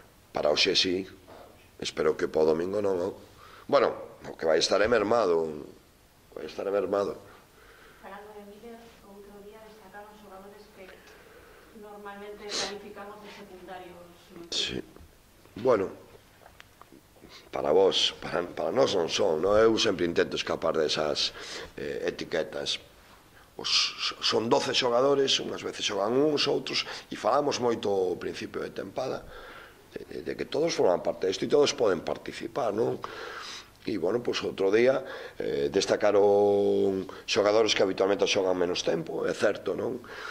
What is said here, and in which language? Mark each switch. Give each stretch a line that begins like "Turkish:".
Spanish: Para Oxe sí, espero que para domingo no. Bueno, que vaya a estar mermado. Vaya a estar mermado. Para lo de Miller, otro día destacamos jugadores que normalmente calificamos de secundarios. Sí.
Galician: Bueno, para vos, para nós non son, ¿no? Eu sempre intento escapar de esas etiquetas. Son 12 xogadores, unhas veces xogan uns, outros, e falamos moito ao principio de tempada de que todos forman parte disto e todos poden participar, non? E, bueno, pois outro día destacaron xogadores que habitualmente xogan menos tempo, é certo, non?